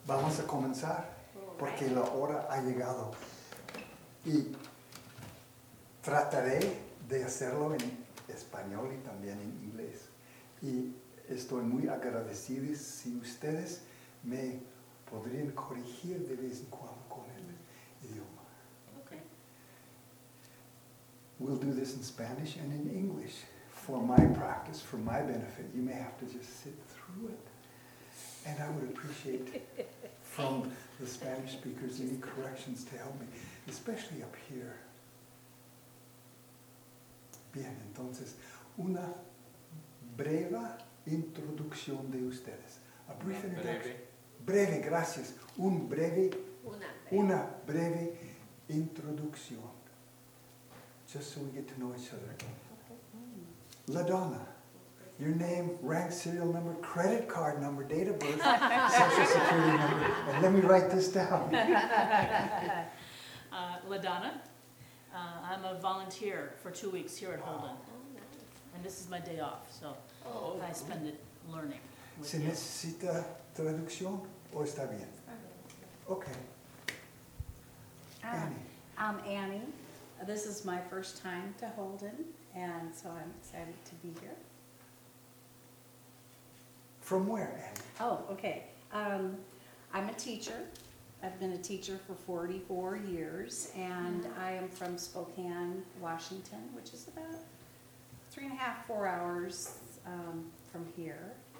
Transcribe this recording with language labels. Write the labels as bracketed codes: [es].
[es] Vamos a comenzar porque la hora ha llegado y trataré de hacerlo en español y también en inglés. Y estoy muy agradecido si ustedes me podrían corregir de vez en cuando con el idioma. [en] Okay. We'll do this in Spanish and in English. For my practice, for my benefit, you may have to just sit through it. And I would appreciate from the Spanish speakers any corrections to help me, especially up here. [es] Bien, entonces, una breve introducción de ustedes. [en] A brief introduction. Breve. [es] Breve, gracias. Un breve. Una breve introducción. [en] Just so we get to know each other. LaDonna, your name, rank, serial number, credit card number, date of birth, social security number, and let me write this down. LaDonna, I'm a volunteer for 2 weeks here at Holden. Oh, nice. And this is my day off, so I spend it learning. [es] ¿Se necesita traducción o está bien? [en] Okay. Annie. I'm Annie. This is my first time to Holden. And so I'm excited to be here. From where, Annie? Oh, okay. I'm a teacher. I've been a teacher for 44 years. And I am from Spokane, Washington, which is about 3.5-4 hours from here.